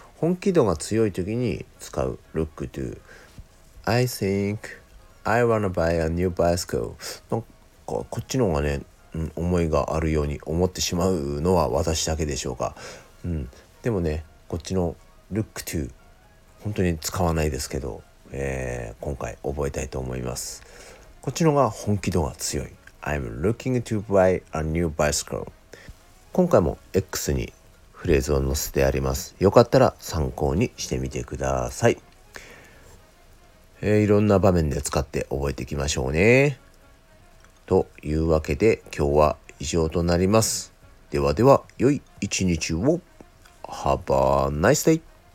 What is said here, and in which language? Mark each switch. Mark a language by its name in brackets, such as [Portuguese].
[Japanese] 本気度が強い時に使う look to。 [English] I think I wanna buy a new bicycle、 [Japanese] のこっちの方がね、思いがあるように思ってしまうのは私だけでしょうか。でもね、こっちの look to 本当に使わないですけど、今回覚えたいと思います。こっちのが本気度が強い。 [English] I'm looking to buy a new bicycle。 [Japanese] 今回も X にフレーズを載せてあります。よかったら参考にしてみてください。いろんな場面で使って覚えていきましょうね。というわけで今日は以上となります。ではでは、良い一日を。 [English] Have a nice day!